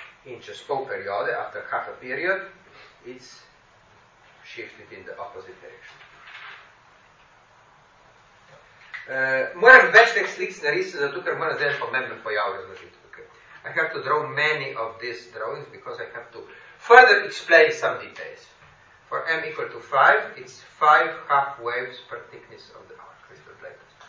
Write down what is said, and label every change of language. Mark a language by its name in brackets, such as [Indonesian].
[Slovenian] In čez pol periode, [English] after half a period, it's shifted in the opposite direction. [Slovenian] Moram več teh slik narisati, zato ker moram zdaj pomemben pojav razložiti. [English] Okay. I have to draw many of these drawings, because I have to further explain some details. For m equal to 5, it's 5 half waves per thickness of the arc crystal plate.